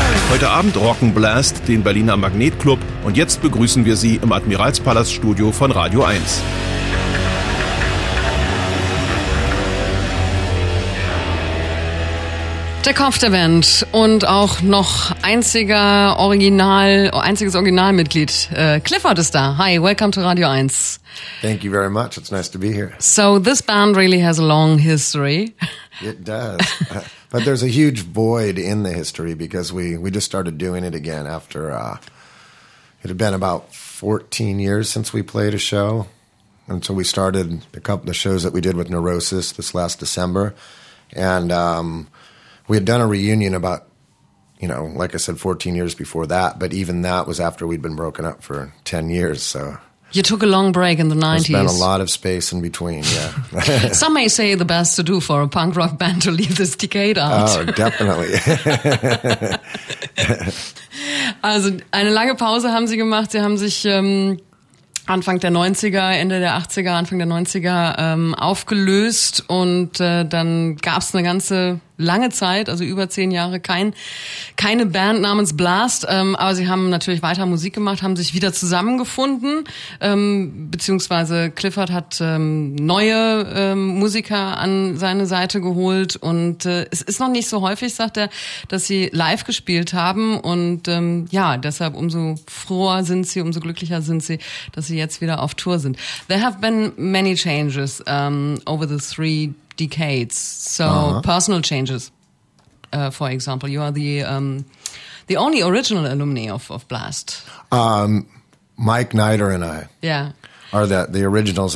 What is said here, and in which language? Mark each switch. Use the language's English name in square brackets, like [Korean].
[German] Heute Abend rocken Blast den Berliner Magnetclub und jetzt begrüßen wir Sie im Admiralspalaststudio von Radio 1. Der Kopf der Band und auch noch einziges Originalmitglied. Clifford ist da. [English] Hi, welcome to Radio 1. Thank you very much. It's nice to be here. So this band really has a long history. It does. But there's a huge void in the history because we just started doing it again after it had been about 14 years since we played a show. And so we started a couple of shows that we did with Neurosis this last December. And we had done a reunion about, you know, like I said, 14 years before that. But even that was after we'd been broken up for 10 years. So you took a long break in the 90s. There's been a lot of space in between, yeah. Some may say the best to do for a punk rock band to leave this decade out. Oh, definitely. [German] Also, eine lange Pause haben sie gemacht. Sie haben sich Anfang der 90er, Ende der 80er, Anfang der 90er aufgelöst. Und dann gab es eine ganze lange Zeit, also über 10 Jahre, keine Band namens Blast. Aber sie haben natürlich weiter Musik gemacht, haben sich wieder zusammengefunden. Beziehungsweise Clifford hat neue Musiker an seine Seite geholt. Und es ist noch nicht so häufig, sagt er, dass sie live gespielt haben. Und ja, deshalb umso froher sind sie, umso glücklicher sind sie, dass sie jetzt wieder auf Tour sind. [English] There have been many changes over the 3 decades. So personal changes. For example, you are the only original alumni of Blast. Mike Nieder and I. Yeah. Are the originals.